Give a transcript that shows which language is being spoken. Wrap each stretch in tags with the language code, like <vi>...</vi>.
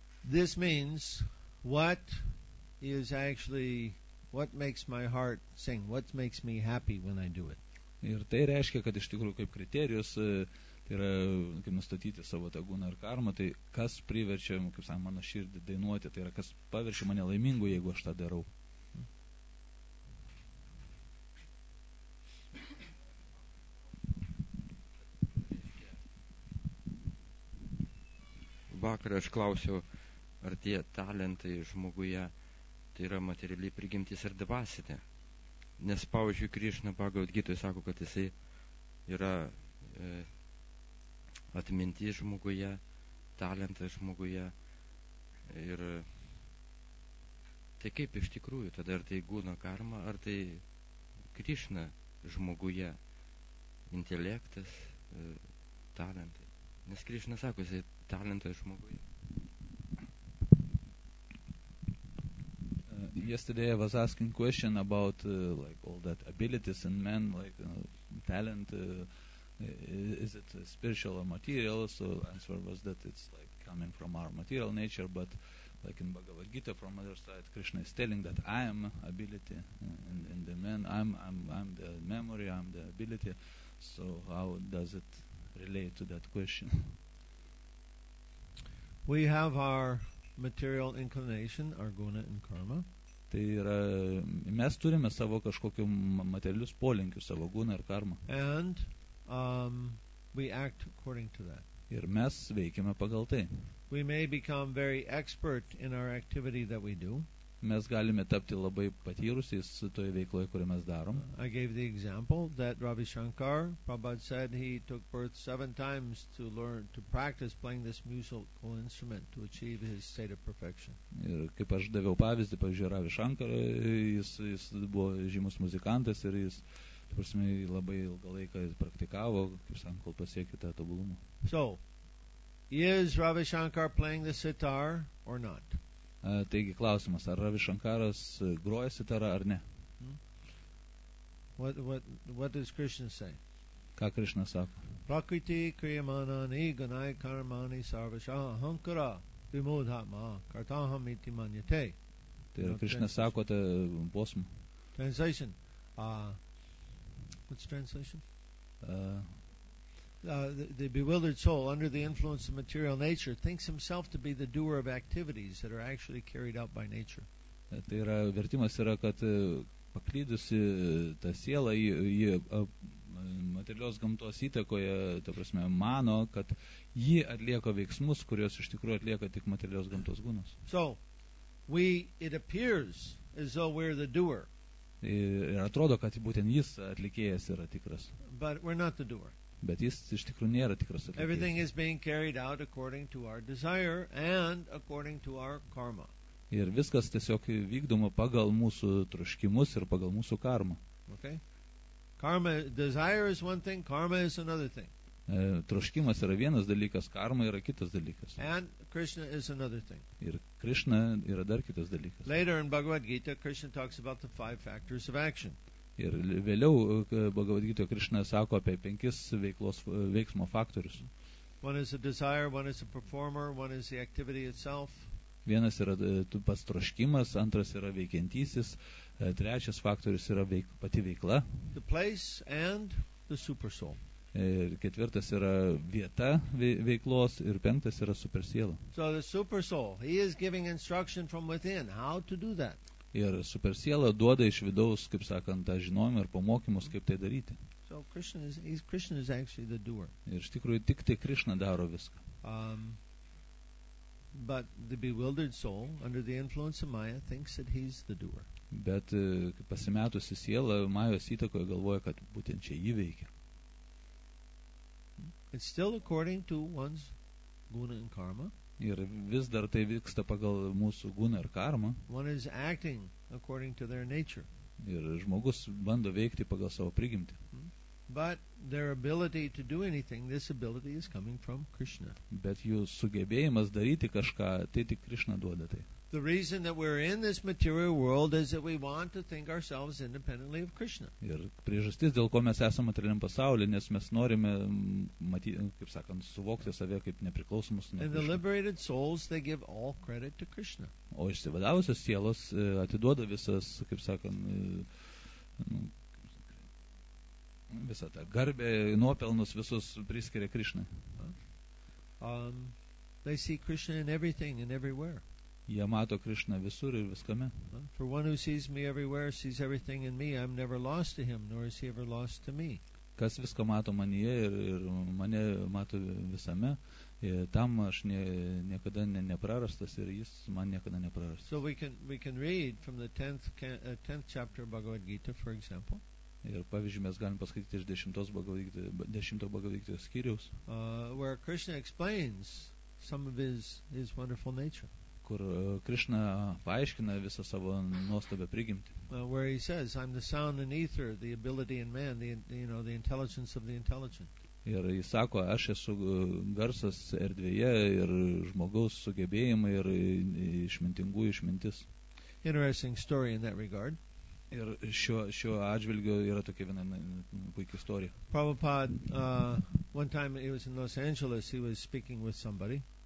<en>This means what is actually what makes my heart sing, what makes me happy when I do it.</en> <lt>Ir tai reiškia, kad iš tikrųjų kaip kriterijus tai yra, kaip nustatyti savo tą guną ir karmą, tai kas priverčia, kaip sakant, mano širdį dainuoti, tai yra kas paverčia mane laimingu, jeigu aš tą darau. Vakar aš klausiau, ar tie talentai žmoguje tai yra materialiai prigimtis ar dvasinė. Nes, pavyzdžiui, Krišna Bhagavad Gitoje sako, kad jis yra atmintis žmoguje, talentas žmoguje. Ir tai kaip iš tikrųjų, tada ar tai guna karma, ar tai Krišna žmoguje, intelektas, talentai. Nes Krišna sako, jis talentas žmogui.</lt> <en>Yesterday I was asking question about like all that abilities in men, like talent, is it spiritual or material? So answer was that it's like coming from our material nature, but like in Bhagavad Gita from other side, Krishna is telling that I am ability in the man, I'm the memory, I'm the ability. So how does it relate to that question? We have our material inclination, our guna and karma.</en> <lt>Tai yra, mes turime savo kažkokių materialius polinkių, savo guna ir karma.</lt> <en>And we act according to that.</en> <lt>Ir mes veikime pagal tai.</lt> <en>We may become very expert in our activity that we do.</en> <lt>Mes galime tapti labai patyrusiais toje veikloje, kurią mes darom.</lt> <en>I gave the example that Ravi Shankar Prabhupada said he took birth 7 times to learn to practice playing this musical instrument to achieve his state of perfection.</en> <lt>Ir kaip aš daviau pavyzdį, pavyzdžiui, Ravi Shankar, jis buvo žymus muzikantas ir jis labai ilgą laiką praktikavo, kaip sakant, kol pasiekė tą tobulumą.</lt> <en>So, is Ravi Shankar playing the sitar or not?</en> <lt>Taigi klausimas, ar Ravi Shankaras groja sitarą ar ne?</lt> <en>What does Krishna say?</en> <lt>Ką Krishna sako?</lt> <sa>Prakriti kriyamanani ganai karmani sarvasya ahankara vimudhatma kartaham iti manyate.</sa> <lt>Tai yra, Krishna sako tą posmą.</lt> <en>Translation. What's translation? The bewildered soul, under the influence of material nature, thinks himself to be the doer of activities that are actually carried out by nature.</en> <lt>Tai yra, vertimas yra, kad paklydusi ta siela, ji materialios gamtos įtakoje, ta prasme, mano, kad ji atlieka veiksmus, kurios iš tikrųjų atlieka tik materialios gamtos gunos.</lt> <en>So, it appears as though we're the doer.</en> <lt>Ir atrodo, kad būtent jis atlikėjas yra tikras.</lt> <en>But we're not the doer.</en> <lt>Bet jis iš tikrųjų nėra tikras atlikėjas.</lt> <en>Everything is being carried out according to our desire and according to our karma.</en> <lt>Ir viskas tiesiog vykdoma pagal mūsų troškimus ir pagal mūsų karmą.</lt> <en>Okay. Karma, desire is one thing, karma is another thing.</en> <lt>Troškimas yra vienas dalykas, karma yra kitas dalykas.</lt> <en>And Krishna is another thing.</en> <lt>Ir Krishna yra dar kitas dalykas.</lt> <en>Later in Bhagavad Gita, Krishna talks about the 5 factors of action.</en> <lt>Ir vėliau Bhagavad Gita Krishna sako apie 5 veiksmo faktorius.</lt> <en>One is a desire, one is a performer, one is the activity itself.</en> <lt>Vienas yra pats troškimas, antras yra veikiantysis, trečias faktorius yra pati veikla.</lt> <en>The place and the super soul.</en> <lt>Ir ketvirtas yra vieta veiklos ir penktas yra supersiela.</lt> <en>So the super soul, he is giving instruction from within how to do that.</en> <lt>ir super siela duoda iš vidaus, kaip sakant, tą žinojimą ir pamokymus, kaip tai daryti.</lt> <en>So Krishna is actually the doer.</en> <lt>Ir iš tikrųjų tik tai Krishna daro viską.</lt> <en>But the bewildered soul under the influence of Maya thinks that he's the doer.</en> <lt>Bet pasimetusi siela Majos įtakoje galvoja, kad būtent čia jį veikia.</lt> <en>It's still according to one's guna and karma.</en> <lt>Ir vis dar tai vyksta pagal mūsų guna ir karma.</lt> <en>One is acting according to their nature.</en> <lt>Ir žmogus bando veikti pagal savo prigimtį.</lt> <en>But their ability to do anything, this ability is coming from Krishna.</en> <lt>Bet jų sugebėjimas daryti kažką, tai tik Krishna duoda tai.</lt> <en>The reason that we're in this material world is that we want to think ourselves independently of Krishna.</en> <lt>Ir priežastis, dėl ko mes esame materialiam pasaulį, nes mes norime matyti, kaip sakant, suvokti save kaip nepriklausomus.</lt> <en>And the liberated souls, they give all credit to Krishna.</en> <lt>O išsivadavusios sielos atiduoda visas, kaip sakant, visą tą garbę, nuopelnus visus priskiria Krishna.</lt> <en>They see Krishna in everything and everywhere.</en> <lt>Jie mato Krishna visur ir viskame.</lt> <en>For one who sees me everywhere sees everything in me. I'm never lost to him, nor is he ever lost to me.</en> <lt>Kas viską mato manyje ir mane mato visame, tam aš niekada neprarastas ir jis man niekada neprarastas.</lt> <en>So we can read from the 10th chapter of Bhagavad Gita, for example.</en> <lt>Ir pavyzdžiui, mes galim paskaityti iš 10 Bhagavad Gita skyriaus,</lt> <en>where Krishna explains some of his wonderful nature.</en> <lt>Kur Krishna paaiškina visą savo nuostabią prigimtį.</lt> <en>Where he says, I'm the sound and ether, the ability in man, the intelligence of the intelligent.</en> <lt>Ir jis sako, aš esu garsas erdvėje ir žmogaus sugebėjimai ir išmintingų išmintis.</lt> <en>Interesting story in that regard.</en> <lt>Ir šiuo atžvilgiu yra tokia viena puikia istorija.</lt> <en>Prabhupada, one time he was in Los Angeles, he was speaking with somebody.</en>